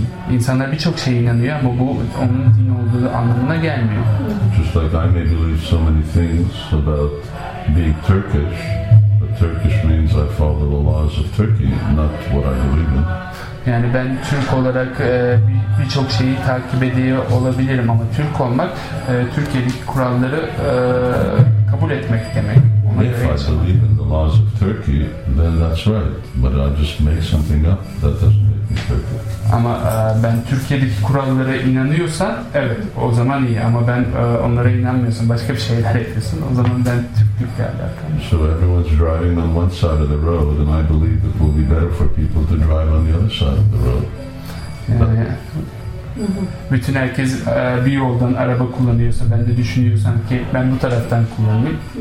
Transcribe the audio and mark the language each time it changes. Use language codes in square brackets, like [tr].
[tr] İnsanlar birçok şeye inanıyor ama bu onun din olduğu anlamına gelmiyor. [en] Just like I may believe so many things about being Turkish, but Turkish means I follow the laws of Turkey, not what I believe in. [tr] Yani ben Türk olarak birçok şeyi takip ediyor olabilirim ama Türk olmak Türkiye'deki kuralları kabul etmek demek. [en] If I believe in the laws of Turkey, then that's right. But I just make something up. That doesn't make me Turkish. [tr] Ama ben Türkiye'deki kurallara inanıyorsan, evet, o zaman iyi. Ama ben onlara inanmıyorsam, başka bir şeyler ekliyorsun, o zaman ben Türklükle alakalı. [en] So everyone's driving on one side of the road, and I believe it will be better for people to drive on the other side of the road. [tr] Bütün herkes bir yoldan araba kullanıyorsa, ben de düşünüyorsam ki ben bu taraftan kullanayım.